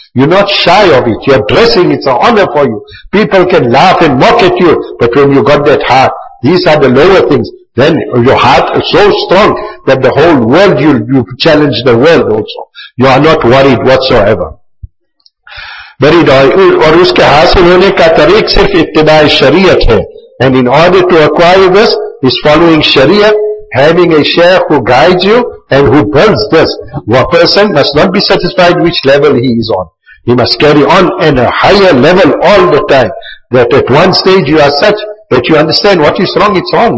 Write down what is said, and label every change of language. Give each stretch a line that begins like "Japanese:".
English: You're not shy of it. Your dressing is an honor for you. People can laugh and mock at you, but when you got that heart, these are the lower things. Then your heart is so strong that the whole world, you challenge the world also. You are not worried whatsoever. Very dull.
Urdu: اور اس کے حاصل ہونے کا طریق صرف اتباع شریعت ہے.
English: And in order to acquire this, is following Sharia, having a Shaykh who guides you and who builds this. One person must not be satisfied which level he is on. He must carry on in a higher level all the time. That at one stage you are such that you understand what is wrong, it's wrong.